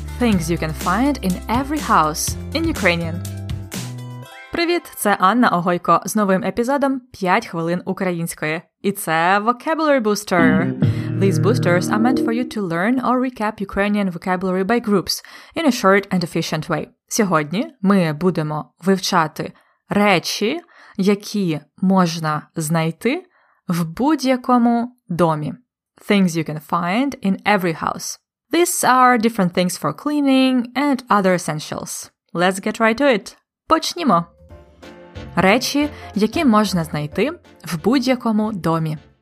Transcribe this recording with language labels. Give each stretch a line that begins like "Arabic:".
English: Things you can find in every house in Ukrainian.
Ukrainian: Привіт, це Анна Огойко з новим епізодом 5 хвилин української. І це
English: Vocabulary Booster. These boosters are meant for you to learn or recap Ukrainian vocabulary by groups in a short and efficient way.
Ukrainian: Сьогодні ми будемо вивчати речі, які можна знайти в будь-якому домі.
English: Things you can find in every house. These are different things for cleaning and other essentials. Let's get right to it.
Ukrainian: Почнімо! Речі, які можна знайти в будь-якому домі.